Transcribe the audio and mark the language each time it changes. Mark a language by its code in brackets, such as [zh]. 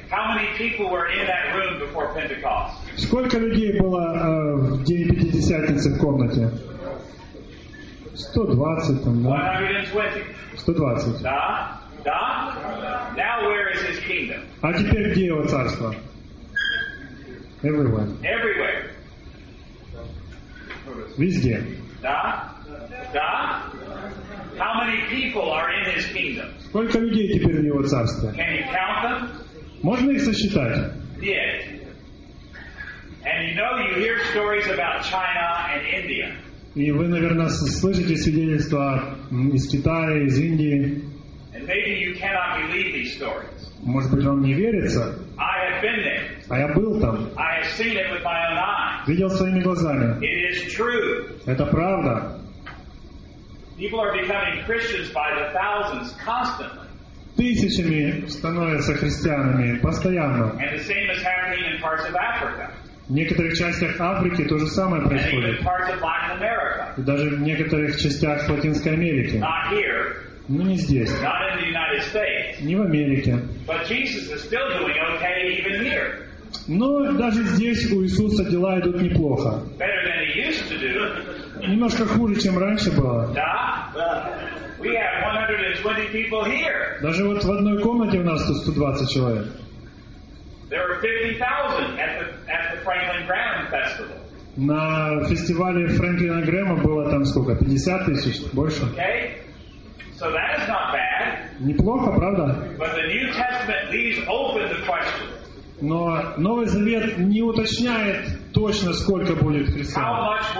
[en] How many people were in that room before Pentecost? [ru] Сколько людей было в день Пятидесятницы в комнате? 120 там, да? 120. [en] Да? Да? Now where is his kingdom? [ru] А теперь где его царство? [en] Everywhere. Everywhere. [ru] Везде. [en] Да? Да? How many people are in his kingdom? [ru] Сколько людей теперь в его царстве? [en] Can you count them? [ru] Можно их сосчитать? [en] Yes. And you know you hear stories about China and India. [ru] И вы, наверное, слышите свидетельства из Китая, из Индии. [en] And maybe you cannot believe these stories. [ru] Может быть, вам не верится? [en] I have been there. [ru] А я был там. [en] I have seen it with my own eyes. [ru] Видел своими глазами. [en] It is true. [ru] Это правда. [en] People are becoming Christians by the thousands constantly. [ru] Тысячами становятся христианами постоянно. [en] And the same is happening in parts of Africa. [ru] В некоторых частях Африки то же самое происходит. [en] And even parts of Latin America. [ru] И даже в некоторых частях Латинской Америки. [en] Not here. [ru] Ну, не здесь. [en] Not in the United States. [ru] Не в Америке. [en] But Jesus is still doing okay even here. [ru] Но даже здесь у Иисуса дела идут неплохо. [en] Better than he used to do. [ru] Немножко хуже, чем раньше было. [en] Да? We have 120 people here. [ru] Даже вот в одной комнате у нас тут 120 человек. [en] There are 50,000 at the Franklin Graham Festival. [ru] На фестивале Франклина Грэма было там сколько? 50 тысяч? Больше? [en] Okay. So that is not bad. [ru] Неплохо, правда? [en] But the New Testament leaves open the question. [ru] Но Новый Завет не уточняет точно, сколько будет христиан.